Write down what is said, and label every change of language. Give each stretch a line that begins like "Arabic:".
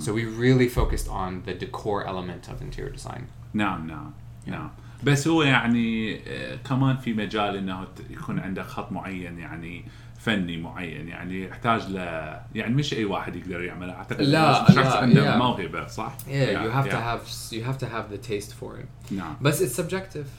English: So we really focused on the decor element of interior design. No. Yeah.
Arabic: بس هو يعني كمان في مجال انه يكون عندك خط معين يعني فني معين يعني يحتاج ل يعني مش اي واحد يقدر يعمله اعتقد لا شخص عنده موهبة صح
English: yeah, yeah, you have to have the taste for it
Arabic: بس
English: it's subjective